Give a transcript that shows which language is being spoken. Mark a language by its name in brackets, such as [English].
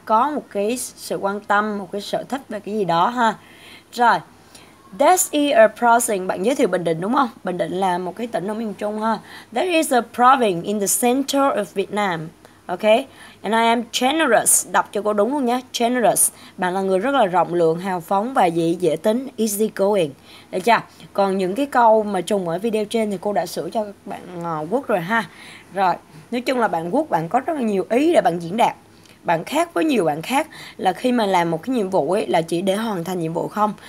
[Vietnamese] Có một cái sự quan tâm, một cái sở thích về cái gì đó ha. Rồi. [English] This is a province. [Vietnamese] Bạn giới thiệu Bình Định đúng không? Bình Định là một cái tỉnh ở miền Trung ha. [English] There is a province in the center of Vietnam. Okay? And I am generous. [Vietnamese] Đọc cho cô đúng luôn nhé. Generous. Bạn là người rất là rộng lượng, hào phóng và dễ tính. Easygoing. Được chưa? Còn những cái câu mà trùng ở video trên thì cô đã sửa cho các bạn quốc rồi ha. Rồi. Nói chung là bạn quốc, bạn có rất là nhiều ý để bạn diễn đạt. Bạn khác với nhiều bạn khác là khi mà làm một cái nhiệm vụ ấy là chỉ để hoàn thành nhiệm vụ không.